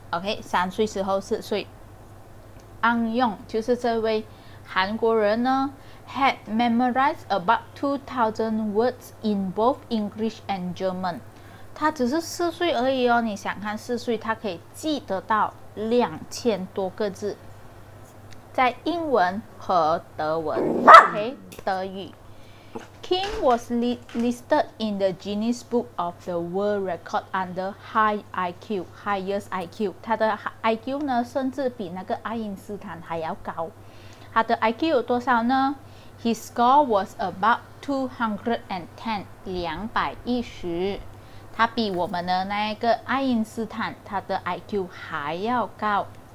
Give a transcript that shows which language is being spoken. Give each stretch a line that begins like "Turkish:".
Chinese: OK，3岁时候4岁。安用就是这位韩国人呢，
English: had memorized about 2,000 words in both English and German。
Chinese: 他只是4岁而已哦，你想看4岁，他可以记得到2000多个字，在英文和德文，OK，德语。
English: Kim was listed in the Guinness Book of the World Record under high IQ, highest IQ。
Chinese: 他的 IQ 呢，甚至比那个爱因斯坦还要高。他的 IQ 有多少呢？
English: His score was about 210，210。
Chinese: 他比我们的那个爱因斯坦，他的 IQ 还要高。